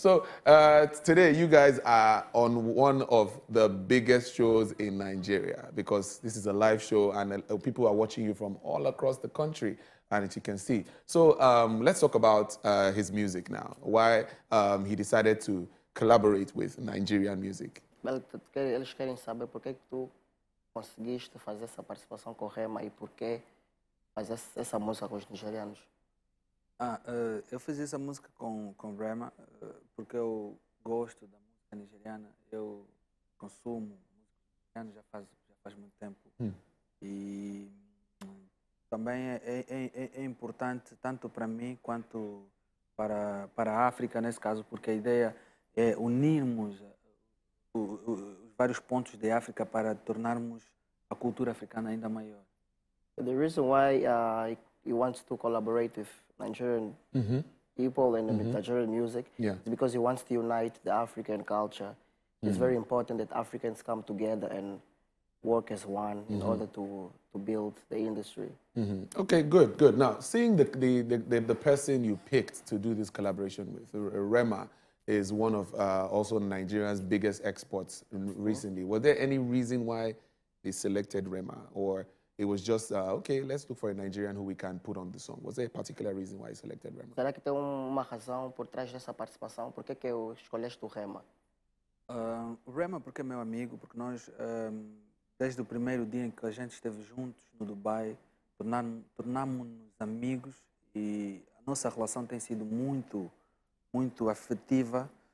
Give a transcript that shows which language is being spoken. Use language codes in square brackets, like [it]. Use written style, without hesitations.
[en] So today you guys are on one of the biggest shows in Nigeria, because this is a live show and people are watching you from all across the country, and as you can see. So let's talk about his music now. Why he decided to collaborate with Nigerian music. [pt] Well, eles querem saber por que tu conseguiste fazer essa participação com o Rema e por que fazer essa música com os nigerianos? Eu fiz essa música com Rema porque eu gosto da música nigeriana. Eu consumo música nigeriana já faz muito tempo. E também é importante tanto para mim quanto para a África, nesse caso, porque a ideia é unirmos os vários pontos de África para tornarmos a cultura africana ainda maior. [en] The reason why he wants to collaborate with Nigerian people and with Nigerian music is because he wants to unite the African culture. It's very important that Africans come together and work as one in order to build the industry. Okay, good. Now, seeing the person you picked to do this collaboration with, Rema, is one of also Nigeria's biggest exports recently. Was there any reason why they selected Rema, or it was just okay, let's look for a Nigerian who we can put on the song? Was there a particular reason why he selected Rema? [pt] Será que tem uma razão por trás dessa participação? Por que que escolheste o Rema? Rema porque é meu amigo, porque nós desde o primeiro dia em que a gente esteve juntos no Dubai, tornámo-nos amigos e a nossa relação tem sido muito muito afetiva.